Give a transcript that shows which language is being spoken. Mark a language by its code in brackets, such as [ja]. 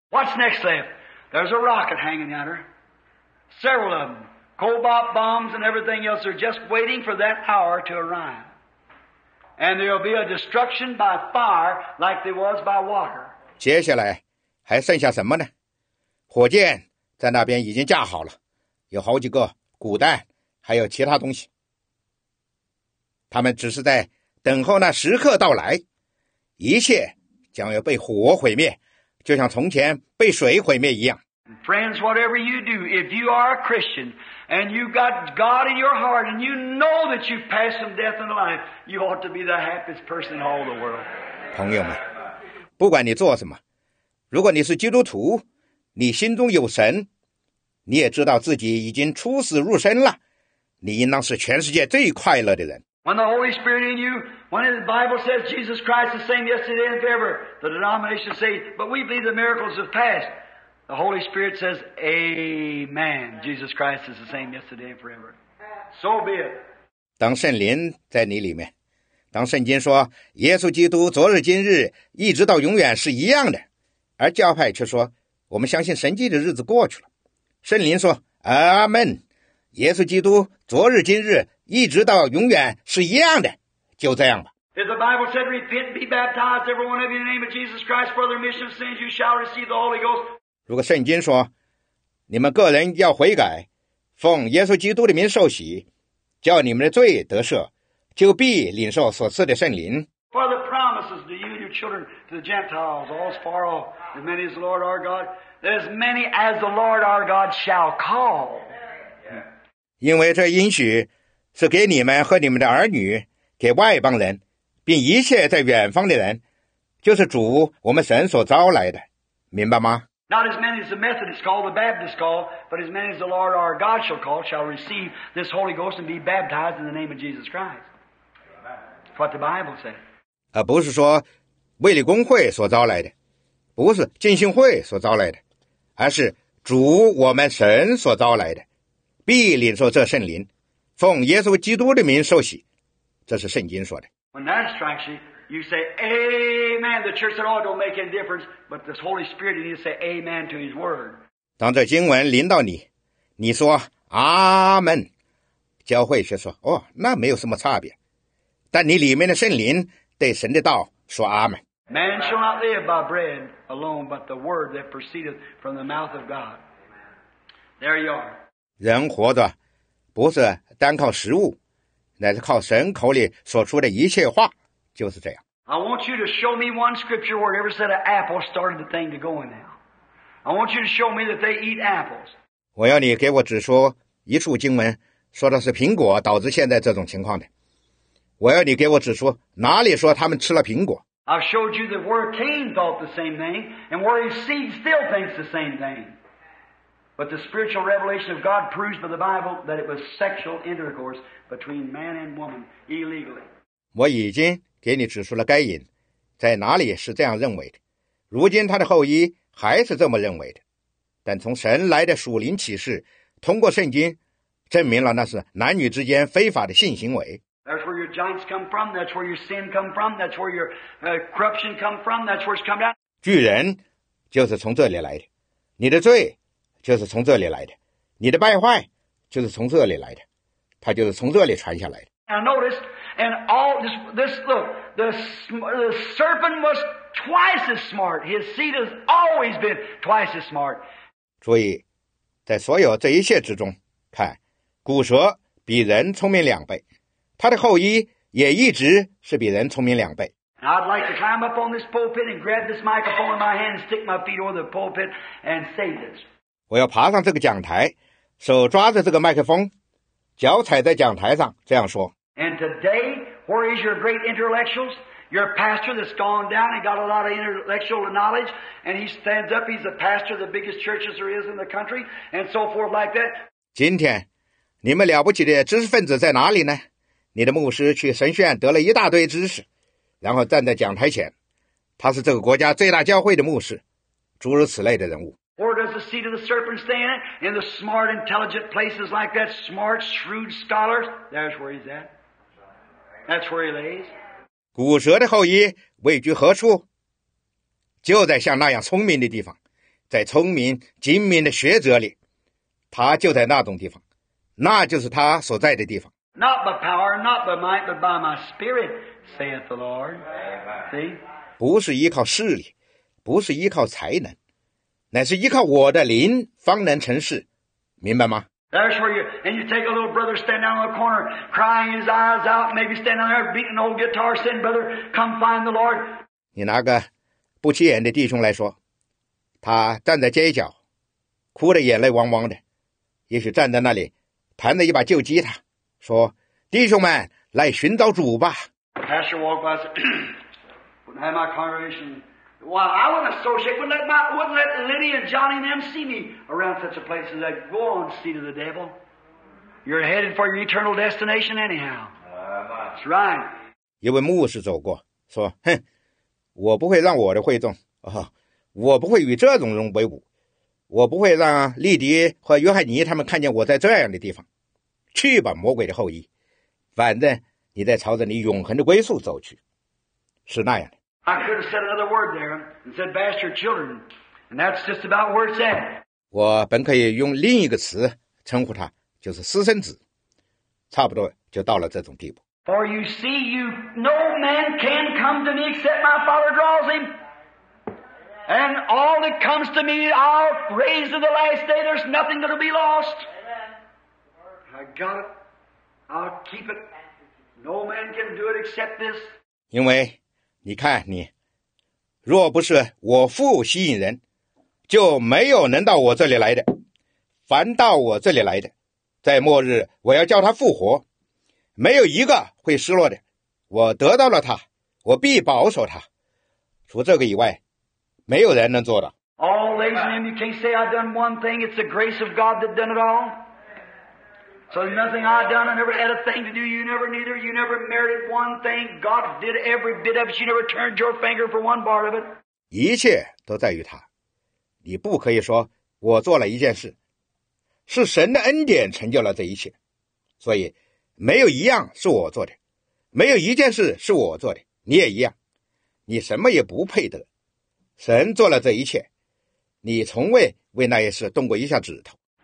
[en] What's next left? There's a rocket hanging out there. Several of them. Cobalt bombs and everything else are just waiting for that hour to arrive. And there'll be a destruction by fire like there was by water. [zh] 接下来还剩下什么呢？火箭在那边已经架好了，有好几个古代，还有其他东西。他们只是在等候那时刻到来。一切将要被火毁灭，就像从前被水毁灭一样。 [en] Friends, whatever you do, if you are a Christian and you've got God in your heart and you know that you've passed from death into life, you ought to be the happiest person in all the world. [zh] 朋友们，不管你做什么，如果你是基督徒，你心中有神，你也知道自己已经出死入生了，你应当是全世界最快乐的人。 [en] When the Holy Spirit in you, when the Bible says Jesus Christ the same yesterday and forever, the denomination says, but we believe the miracles have passed. The Holy Spirit says, Amen. Jesus Christ is the same yesterday and forever. So be it. [zh] 当圣灵在你里面，当圣经说耶稣基督昨日今日一直到永远是一样的，而教派却说我们相信神迹的日子过去了。圣灵说 Amen. 耶稣基督昨日今日一直到永远是一样的，就这样吧。 [en] If the Bible said, "Repent, be baptized, every one of you in the name of Jesus Christ for the remission of sins, you shall receive the Holy Ghost." [zh] 如果圣经说，你们个人要悔改，奉耶稣基督的名受洗，叫你们的罪得赦，就必领受所赐的圣灵。 [en] For the promises to you and your children to the Gentiles, all as far off as many as the Lord our God, as many as the Lord our God shall call. [zh] 因为这应许。是给你们和你们的儿女，给外邦人，并一切在远方的人，就是主我们神所招来的，明白吗？ [en] Not as many as the Methodists call, the Baptists call, but as many as the Lord our God shall call, shall receive this Holy Ghost and be baptized in the name of Jesus Christ. That's what the Bible says. [zh] 而不是说卫理公会所招来的，不是浸信会所招来的，而是主我们神所招来的，必领受这圣灵。奉耶稣基督的名受洗，这是圣经说的。 [en] When that strikes you, you say Amen. The church at all don't make any difference, but this Holy Spirit needs to say Amen to His Word. [zh] 当这经文临到你，你说阿门，教会却说哦，那没有什么差别。但你里面的圣灵对神的道说阿门。 [en] Man shall not live by bread alone, but the word that proceedeth from the mouth of God. There you are. [zh] 人活着不是。单靠食物，乃是靠神口里所出的一切话，就是这样。 [en] I want you to show me one scripture where it ever said an apple started the thing to going now. I want you to show me that they eat apples. [zh] 我要你给我指出一处经文，说的是苹果导致现在这种情况的。我要你给我指出哪里说他们吃了苹果。 [en] I've showed you that where Cain thought the same thing, and where his seed still thinks the same thing. But the spiritual revelation of God proves by the Bible that it was sexual intercourse between man and woman illegally. [zh] 我已经给你指出了该隐在哪里是这样认为的，如今他的后裔还是这么认为的，但从神来的属灵启示通过圣经证明了那是男女之间非法的性行为。 [en] That's where your giants come from. That's where your sin come from. That's where your corruption come from. That's where it's come down. [zh] 巨人就是从这里来的，你的罪就是从这里来的，你的败坏就是从这里来的，它就是从这里传下来的。 [en] Now notice, and all this look, the serpent was twice as smart. His seed has always been twice as smart. [zh] 注意，在所有这一切之中，看，古蛇比人聪明两倍。他的后裔也一直是比人聪明两倍。 [en] I'd like to climb up on this pulpit and grab this microphone in my hand, stick my feet over the pulpit and say this. [zh] 我要爬上这个讲台，手抓着这个麦克风，脚踩在讲台上，这样说。 [en] And today, where is your great intellectuals? Your pastor that's gone down and got a lot of intellectual knowledge, and he stands up, he's a pastor of the biggest churches there is in the country, and so forth like that. [zh] 今天，你们了不起的知识分子在哪里呢？你的牧师去神学院得了一大堆知识，然后站在讲台前，他是这个国家最大教会的牧师，诸如此类的人物。 [en] Where does the seat of the serpent stand? In the smart, intelligent places like that, smart, shrewd scholars. That's where he's at. That's where he lays. [zh] 古蛇的后裔位居何处？就在像那样聪明的地方，在聪明、精明的学者里，他就在那种地方，那就是他所在的地方。 [en] Not by power, not by might, but by my spirit, saith the Lord. See? [zh] 不是依靠势力，不是依靠才能，乃是依靠我的灵方能成事，明白吗？ [en] That's where you, and you take a little brother standing down in the corner, crying his eyes out, maybe standing there beating an old guitar, saying, brother, come find the Lord. [zh] 你拿个不起眼的弟兄来说，他站在街角，哭得眼泪汪汪的，也许站在那里，弹着一把旧吉他，说，弟兄们，来寻找主吧。 [en] Pastor walked by and said, have my congregation, well, I wouldn't associate, wouldn't let Lenny and Johnny and them see me around such a place as that. Go on, seat of the devil. You're headed for your eternal destination anyhow. That's right. [zh] 一位牧师走过，说，哼，我不会让我的会众，哦，我不会与这种人为伍，我不会让利迪和约翰尼他们看见我在这样的地方。去吧，魔鬼的后裔，反正你在朝着你永恒的归宿走去，是那样的。 [en] I could have said another word there and said bastard children, and that's just about where it's at. [zh] 我本可以用另一个词称呼他，就是私生子，差不多就到了这种地步。 [en] For you see, you no man can come to me except my Father draws him, and all that comes to me I'll raise to the last day. There's nothing going to be lost. I got it. I'll keep it. No man can do it except this. [zh] 因为你看你，若不是我父吸引人，就没有能到我这里来的。凡到我这里来的，在末日我要叫他复活，没有一个会失落的。我得到了他，我必保守他。除这个以外，没有人能做到。 [en] All ladies and gentlemen, you can't say I've done one thing. It's the grace of God that done it all. So nothing I've done, I never had a thing to do, you never neither, you never merited one thing, God did every bit of it, you never turned your finger for one part of it. [zh] 一切都在于他，你不可以说我做了一件事，是神的恩典成就了这一切，所以没有一样是我做的，没有一件事是我做的，你也一样，你什么也不配得，神做了这一切，你从未为那些事动过一下指头。